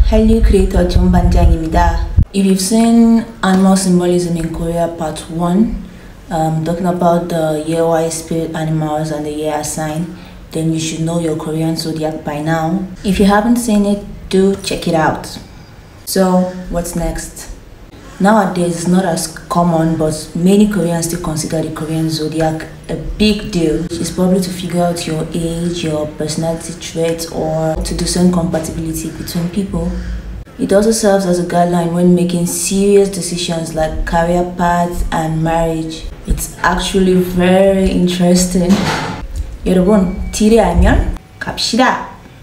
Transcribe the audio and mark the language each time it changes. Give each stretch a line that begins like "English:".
Korean: 한류 크리에이터 전 반장입니다.
English: If you've seen animal symbolism in Korea part 1, talking about the Yeowi spirit animals and the Yeowi sign, then you should know your Korean zodiac by now. If you haven't seen it, do check it out. So, what's next? Nowadays, it's not as common, but many Koreans still consider the Korean zodiac a big deal. It's probably to figure out your age, your personality traits, or to discern compatibility between people. It also serves as a guideline when making serious decisions like career paths and marriage. It's actually very interesting.
Korean: 여러분, 딜이 알면 갑시다!